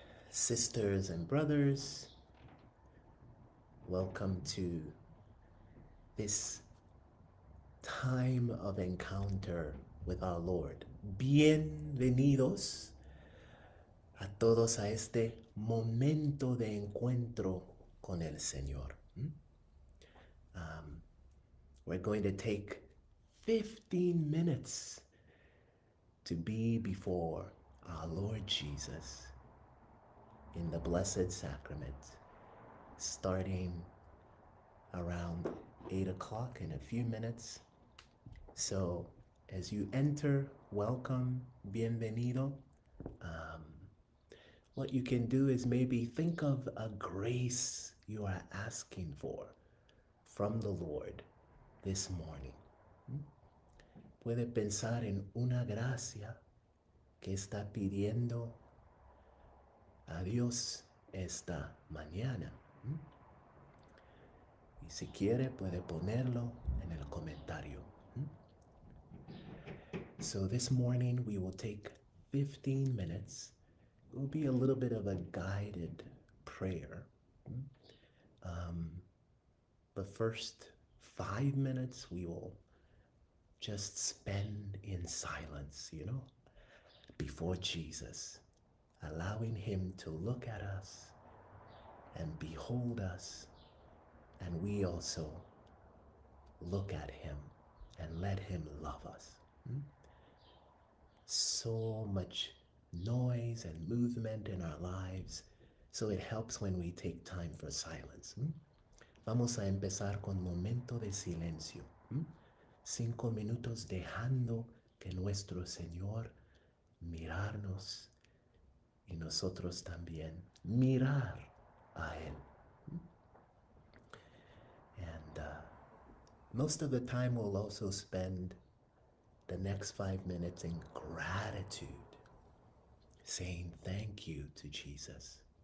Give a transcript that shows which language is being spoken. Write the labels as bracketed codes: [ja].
[en] Sisters and brothers, welcome to this time of encounter with our Lord. [es] Bienvenidos a todos a este momento de encuentro con el Señor. [en] We're going to take 15 minutes to be before our Lord Jesus in the Blessed Sacrament, starting around 8 o'clock in a few minutes. So as you enter, welcome, bienvenido. What you can do is maybe think of a grace you are asking for from the Lord this morning. [es] Puede pensar en una gracia que está pidiendo a Dios esta mañana. Y si quiere, puede ponerlo en el comentario. [en] So this morning we will take 15 minutes. It will be a little bit of a guided prayer. The first 5 minutes we will just spend in silence, you know, before Jesus, allowing him to look at us and behold us, and we also look at him and let him love us. So much noise and movement in our lives, so it helps when we take time for silence. [es] Vamos a empezar con momento de silencio. 5 minutos dejando que nuestro Señor mirarnos y nosotros también mirar a Él. [en] And most of the time we'll also spend the next 5 minutes in gratitude, saying thank you to Jesus.